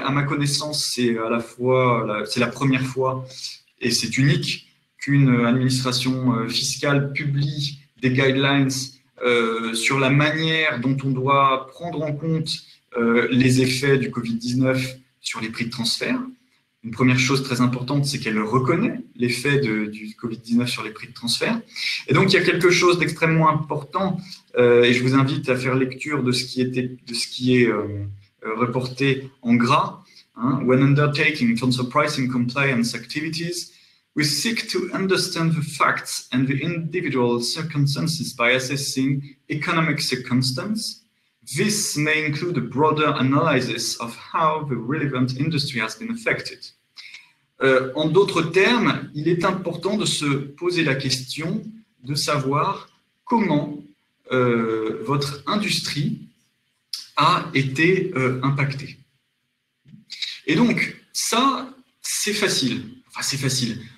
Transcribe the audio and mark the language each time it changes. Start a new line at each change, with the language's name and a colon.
French: À ma connaissance, c'est la première fois, et c'est unique, qu'une administration fiscale publie des guidelines sur la manière dont on doit prendre en compte les effets du Covid-19 sur les prix de transfert. Une première chose très importante, c'est qu'elle reconnaît l'effet du Covid-19 sur les prix de transfert. Et donc, il y a quelque chose d'extrêmement important, et je vous invite à faire lecture de ce qui est reporté en gras. Hein.
English: When undertaking transfer pricing compliance activities, we seek to understand the facts and the individual circumstances by assessing economic circumstances. This may include a broader analysis of how the relevant industry has been affected.
French: En d'autres termes, il est important de se poser la question de savoir comment votre industrie a été impactée. Et donc, ça, c'est facile. Enfin, c'est facile.